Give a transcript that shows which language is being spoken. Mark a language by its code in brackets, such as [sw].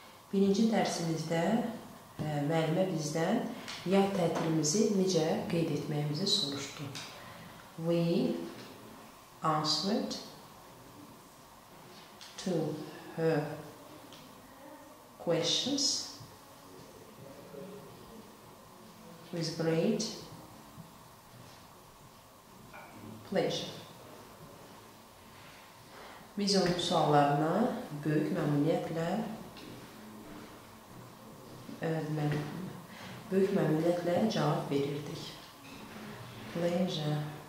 [az] Birinci dərsimizdə müəllimə bizdən yay tətilimizi necə qeyd etməyimizi soruşdu. [en] We answered to her questions with great pleasure. [az] Biz onun suallarına böyük məmnuniyyətlə böyük məmnuniyyətlə cavab verirdik. Pleasure.